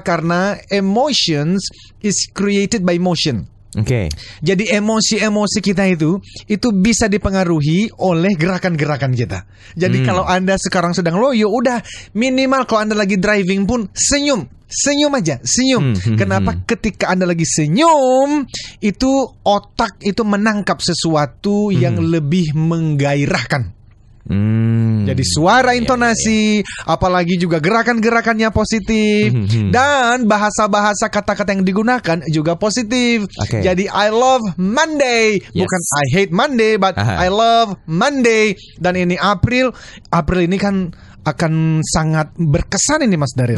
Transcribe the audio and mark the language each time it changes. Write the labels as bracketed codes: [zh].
[en] Karena emotion is created by motion. Oke. [id] Jadi emosi-emosi kita itu bisa dipengaruhi oleh gerakan-gerakan kita. Jadi kalau Anda sekarang sedang loyo, udah minimal kalau Anda lagi driving pun senyum. Senyum aja, senyum. Kenapa? Ketika Anda lagi senyum, itu otak itu menangkap sesuatu yang lebih menggairahkan. Jadi suara, intonasi, apalagi juga gerakan-gerakannya positif, dan bahasa-bahasa, kata-kata yang digunakan juga positif. Okay. [en] Jadi I love Monday, bukan I hate Monday, but I love Monday. [id] Dan ini April, April ini kan akan sangat berkesan ini Mas Daryl.